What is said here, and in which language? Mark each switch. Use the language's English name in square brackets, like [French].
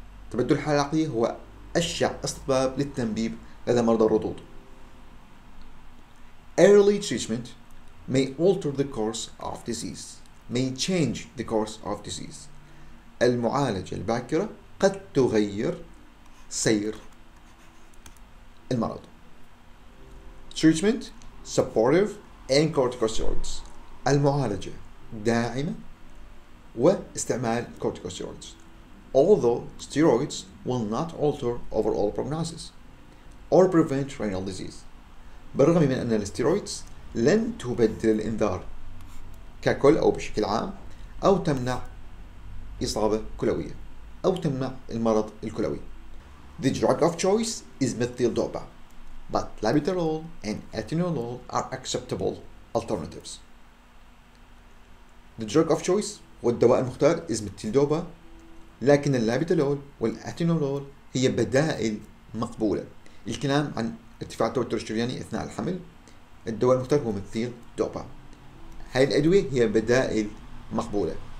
[Arabic] تبدل الحالة العقلية هو أشع أسباب للتنبيب لدى مرضى الرضوض. [English] Early treatment may alter the course of disease. May change the course of disease. [Arabic] المعالجة الباكرة قد تغير سير المرض. [English] Treatment, supportive and corticosteroids. [Arabic] المعالجة داعمة واستعمال corticosteroids. [English] Although steroids will not alter overall prognosis or prevent renal disease. [Arabic] بالرغم من أن الستيرويدز لن تبدل الإنذار ككل أو بشكل عام أو تمنع إصابة كلوية أو تمنع المرض الكلوي. [English] The drug of choice is methyldopa, but labetalol and atenolol are acceptable alternatives. The drug of choice [Arabic] والدواء المختار [English] is methyldopa, [Arabic] لكن اللابيتالول والأتينولول هي بدائل مقبولة. الكلام عن ارتفاع التوتر الشرياني أثناء الحمل، الدواء المختار هو مثيل دوبا. هاي الأدوية هي بدائل مقبولة.